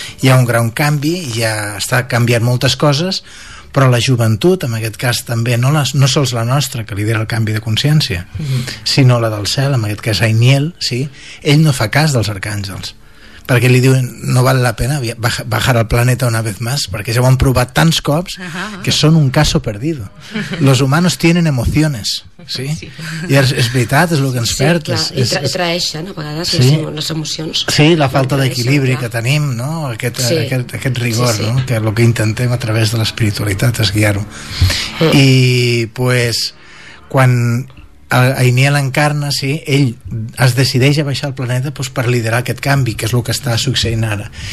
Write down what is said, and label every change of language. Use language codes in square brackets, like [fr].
[ca] Hi ha un gran canvi, ja està canviant moltes coses, però la joventut, en aquest cas també, no, no sols la nostra, que lidera el canvi de consciència, sinó la del cel, en aquest cas Aimiel, sí, ell no fa cas dels arcàngels, perquè li diuen no val la pena [es] bajar al planeta una vez más, [ca] perquè ja ho han provat tants cops que són [es] un caso perdido. Los humanos tienen emociones, sí? [ca] Sí. I és veritat, és el que ens perd. Sí, clar, és, i traeixen a vegades, sí? Les emocions. Sí, la falta d'equilibri que tenim, no? Aquest, sí. aquest rigor, sí, sí. No? Que el que intentem a través de l'espiritualitat és guiar-ho. I, pues, quan Aimiel encarna, sí, ell es decideix a baixar al planeta, doncs, per liderar aquest canvi, que és el que està succeint ara.